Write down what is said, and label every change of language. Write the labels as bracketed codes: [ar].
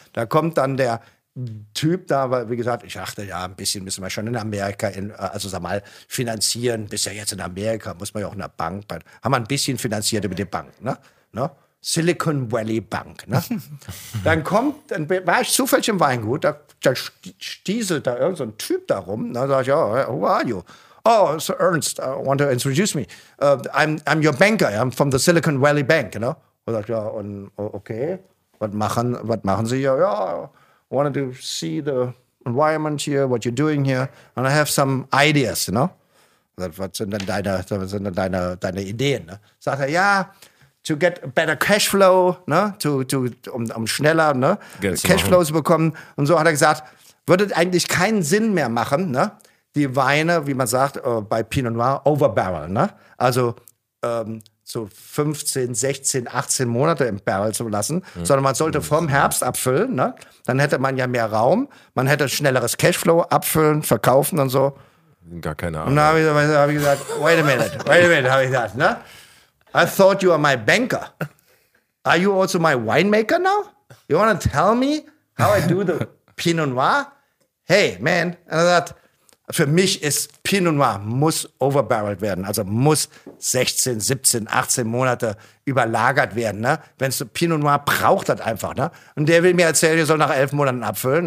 [de] Da kommt dann der Typ da, weil, wie gesagt, ich dachte, ja, ein bisschen müssen wir schon in Amerika, finanzieren. Bist ja jetzt in Amerika, muss man ja auch in der Bank. Haben wir ein bisschen finanziert über die Bank, ne? Ne? Silicon Valley Bank, ne? Dann war ich zufällig im Weingut, da stieselt da irgend so ein Typ da rum. Da sag ich, [en] oh, who are you? Oh, Sir Ernst, I want to introduce me. I'm your banker, I'm from the Silicon Valley Bank, ne? [de] Und sag ich, ja, und okay, was machen Sie hier? [en] Ja, wanted to see the environment here, what you're doing here, and I have some ideas, you know? [de] Was sind denn deine Ideen, ne? Sagt er, ja, [en] to get a better cashflow, [de] ne? Um schneller, ne? Cashflow zu bekommen. Und so hat er gesagt, würde eigentlich keinen Sinn mehr machen, ne? Die Weine, wie man sagt, bei Pinot Noir, overbarrel, ne? Also, so 15, 16, 18 Monate im Barrel zu lassen, sondern man sollte vom Herbst abfüllen, ne? Dann hätte man ja mehr Raum, man hätte schnelleres Cashflow, abfüllen, verkaufen und so. Gar keine Ahnung. Und dann hab ich gesagt, [en] wait a minute, [de] habe ich gesagt, ne? [en] I thought you are my banker. Are you also my winemaker now? You want to tell me how I do the Pinot Noir? Hey, man, and I thought, [de] für mich ist Pinot Noir, muss overbarreled werden, also muss 16, 17, 18 Monate überlagert werden, ne? Wenn's Pinot Noir braucht das einfach, ne? Und der will mir erzählen, ihr soll nach 11 Monaten abfüllen.